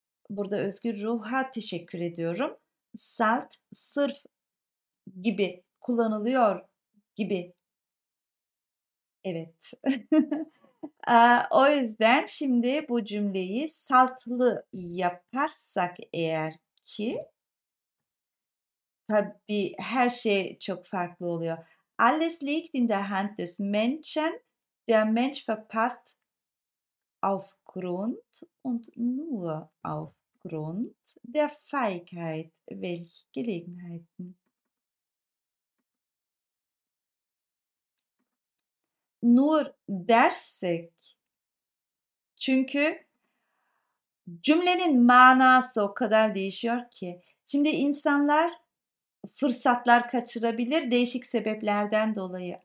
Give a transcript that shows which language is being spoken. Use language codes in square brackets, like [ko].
[tr] Burada özgür ruha teşekkür ediyorum. Salt, sırf gibi kullanılıyor gibi. Evet. O yüzden şimdi bu cümleyi saltlı yaparsak eğer ki tabii her şey çok farklı oluyor. [de] Alles liegt in der Hand des Menschen. Der Mensch verpasst aufgrund und nur aufgrund der Feigheit welche Gelegenheiten. [tr] Nur dersek, çünkü cümlenin manası o kadar değişiyor ki. Şimdi insanlar fırsatlar kaçırabilir değişik sebeplerden dolayı.